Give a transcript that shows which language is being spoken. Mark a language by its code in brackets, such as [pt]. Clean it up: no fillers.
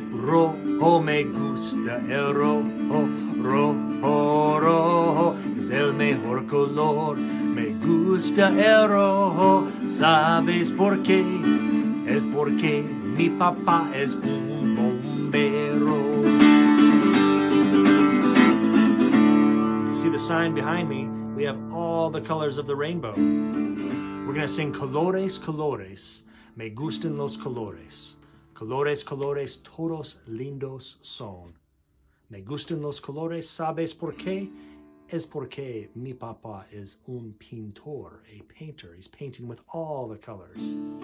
[es] Rojo, me gusta el rojo, rojo, rojo, es el mejor color. Me gusta el rojo, ¿sabes por qué? Es porque mi papá es un bombero. [en] You see the sign behind me? We have all the colors of the rainbow. We're going to sing [es] colores, colores, me gustan los colores. Colores, colores, todos lindos son. Me gustan los colores, ¿sabes por qué? Es porque mi papá es un pintor, [en] a painter. He's painting with all the colors.